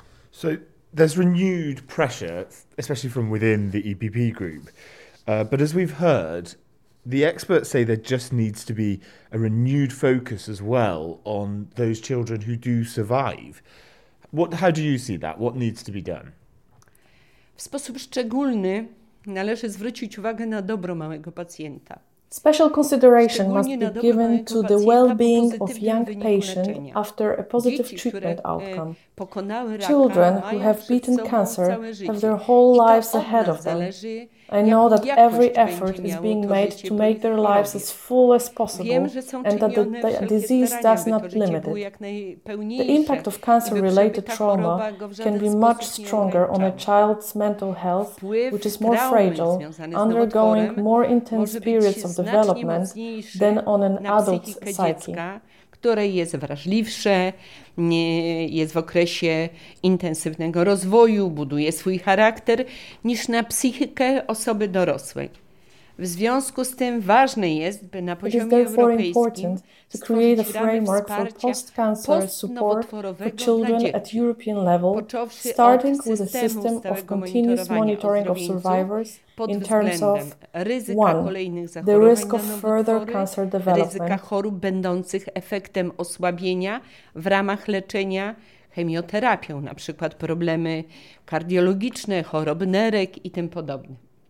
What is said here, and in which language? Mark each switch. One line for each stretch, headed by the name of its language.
English: So there's renewed pressure, especially from within the EPP group. But as we've heard, the experts say there just needs to be a renewed focus as well on those children who do survive. How do you see that? What needs to be done?
Polish: W sposób szczególny należy zwrócić uwagę na dobro małego pacjenta.
English: Special consideration must be given to the well-being of young patients after a positive treatment outcome. Children who have beaten cancer have their whole lives ahead of them. I know that every effort is being made to make their lives as full as possible and that the disease does not limit it. The impact of cancer-related trauma can be much stronger on a child's mental health, which is more fragile, undergoing more intense periods of development than on an adult's psyche.
Polish: Które jest wrażliwsze, jest w okresie intensywnego rozwoju, buduje swój charakter, niż na psychikę osoby dorosłej. W związku z tym ważne jest, by na poziomie europejskim stworzyć ramy wsparcia postnowotworowego dla dzieci, począwszy od systemu stałego monitoringu o zdrowieńcu, pod względem ryzyka kolejnych zachorowań nowotwory, ryzyka chorób będących efektem osłabienia w ramach leczenia chemioterapią, na przykład problemy kardiologiczne, chorób nerek i tym podobne.